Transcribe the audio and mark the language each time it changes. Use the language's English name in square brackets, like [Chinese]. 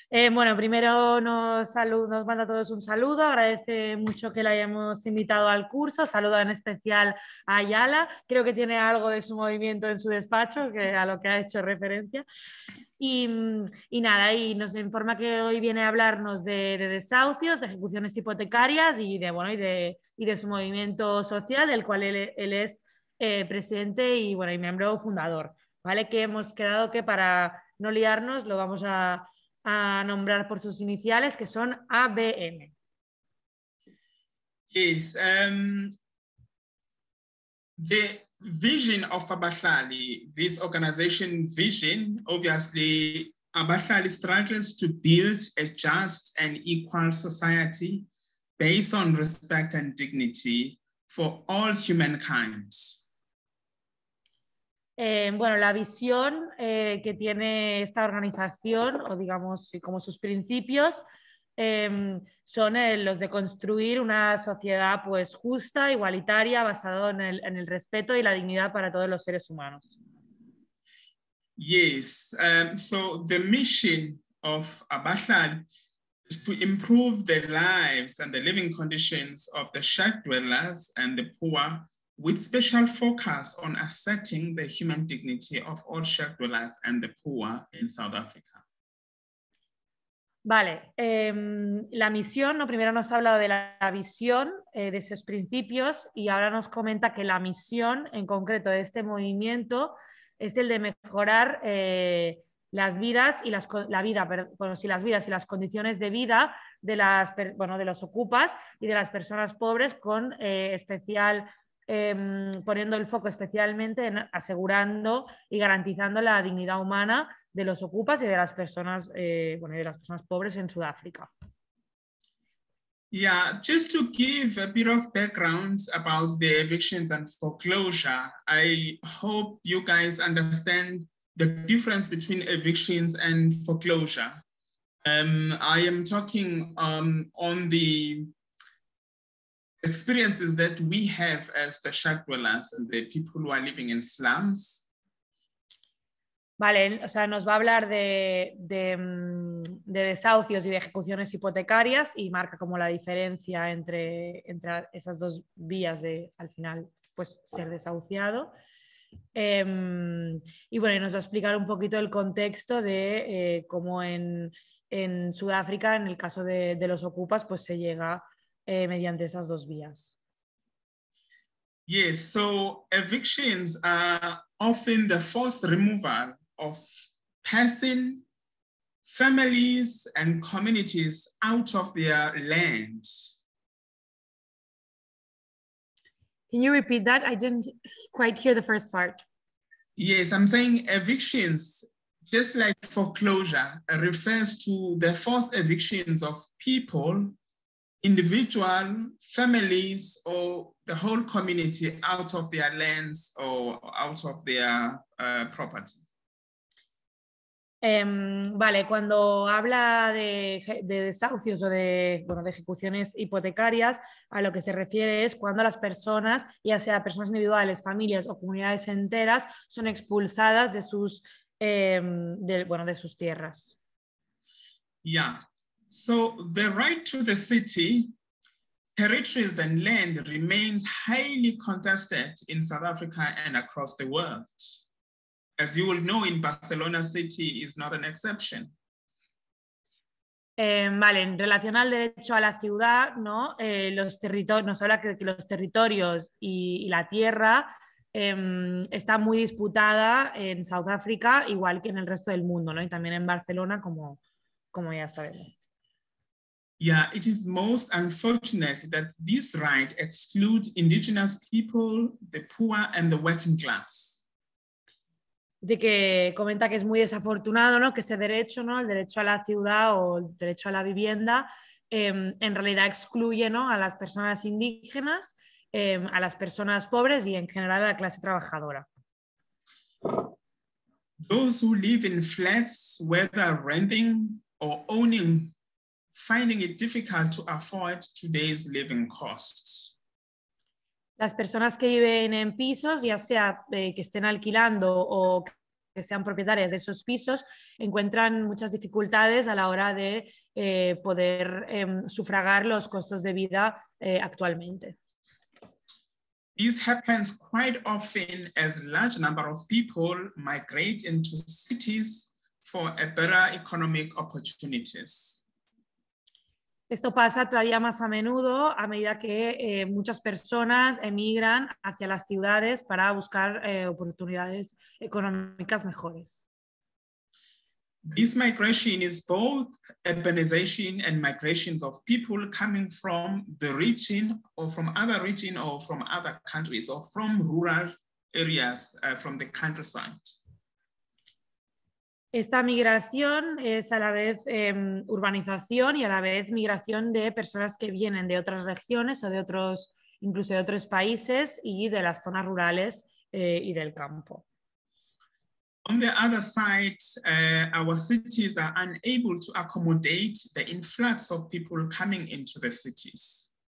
[Spanish] Bueno, primero nos manda a todos un saludo, agradece mucho que la hayamos invitado al curso, saluda en especial a Ayala, creo que tiene algo de su movimiento en su despacho, que a lo que ha hecho referencia, y nada, y nos informa que hoy viene a hablarnos de desahucios, de ejecuciones hipotecarias y de su movimiento social, del cual él es presidente y, bueno, y miembro fundador, ¿vale? Que hemos quedado que para no liarnos lo vamos a nombrar por sus iniciales, que son ABM. [English] Yes. The vision of Abahlali, this organization vision, obviously, Abahlali struggles to build a just and equal society based on respect and dignity for all humankind. [Spanish] Bueno, la visión que tiene esta organización, o digamos como sus principios, son los de construir una sociedad pues, justa, igualitaria, basada en el respeto y la dignidad para todos los seres humanos. [English] Yes, so the mission of Abahlali is to improve the lives and the living conditions of the shack dwellers and the poor, with special focus on asserting the human dignity of all shack dwellers and the poor in South Africa. [Spanish] Vale, la misión, ¿no? Primero nos ha hablado de la visión, de esos principios, y ahora nos comenta que la misión en concreto de este movimiento es el de mejorar las vidas y las condiciones de vida de las de los ocupas y de las personas pobres, con especial poniendo el foco especialmente en asegurando y garantizando la dignidad humana de los ocupas y de las personas de las personas pobres en Sudáfrica. [English] Yeah, just to give a bit of background about the evictions and foreclosure, I hope you guys understand the difference between evictions and foreclosure. I am talking on the experiences that we have as the shack dwellers and the people who are living in slums. [Spanish] Vale, o sea, nos va a hablar de desahucios y de ejecuciones hipotecarias, y marca como la diferencia entre esas dos vías de, al final, pues, ser desahuciado. Y bueno, y nos va a explicar un poquito el contexto de cómo en Sudáfrica, en el caso de los ocupas, pues se llega mediante esas dos vías. [English] Yes, so evictions are often the forced removal of person, families, and communities out of their land. Can you repeat that? I didn't quite hear the first part. Yes, I'm saying evictions, just like foreclosure, refers to the forced evictions of people, individual, families, or the whole community out of their lands or out of their property. [Spanish] Vale, cuando habla de desahucios o de ejecuciones hipotecarias, a lo que se refiere es cuando las personas, ya sea personas individuales, familias o comunidades enteras, son expulsadas de sus, de sus tierras. [English] Yeah, so the right to the city, territories and land remains highly contested in South Africa and across the world. As you will know, in Barcelona City is not an exception. [Spanish] Vale, en relación al derecho a la ciudad, ¿no? Los territorios, nos habla que los territorios y la tierra está muy disputada en South Africa, igual que en el resto del mundo, ¿no? Y también en Barcelona, como ya sabemos. [English] Yeah, it is most unfortunate that this right excludes indigenous people, the poor and the working class. [Spanish] De que comenta que es muy desafortunado, ¿no? Que ese derecho, ¿no? El derecho a la ciudad o el derecho a la vivienda, en realidad excluye, ¿no? A las personas indígenas, a las personas pobres y en general a la clase trabajadora. [English] Those who live in flats, whether renting or owning, finding it difficult to afford today's living costs. [Spanish] Las personas que viven en pisos, ya sea que estén alquilando o que sean propietarias de esos pisos, encuentran muchas dificultades a la hora de poder sufragar los costos de vida actualmente. [English] This happens quite often as a large number of people migrate into cities for a better economic opportunities. [Spanish] Esto pasa todavía más a menudo a medida que muchas personas emigran hacia las ciudades para buscar oportunidades económicas mejores. [English] this migration is both urbanization and migrations of people coming from the region or from other region or from other countries or from rural areas from the countryside. [Spanish] Esta migración es a la vez urbanización y a la vez migración de personas que vienen de otras regiones o de otros, incluso de otros países y de las zonas rurales y del campo. [English] On the other side, our cities are unable to accommodate the influx of people coming into the cities.